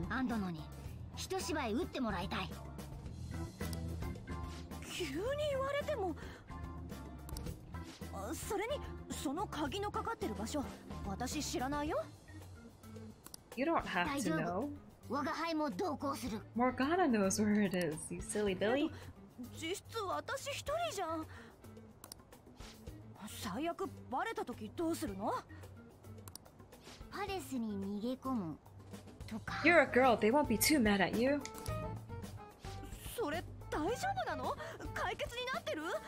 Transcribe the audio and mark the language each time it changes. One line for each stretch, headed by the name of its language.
Japanese: アントノに一芝居打ってもらいたい。急に言われても。それにその鍵のかかってる場所、私知らないよ。
English: You don't have to know.
Japanese: 我が輩も同行する。
English: Morgana knows where it is, you silly Billy.
Japanese: 実質私一人じゃん。最悪バレた時どうするの？パレスに逃げ込むとか。
English: You're a girl. They won't be too mad at you.
Japanese: それ大丈夫なの？解決になってる？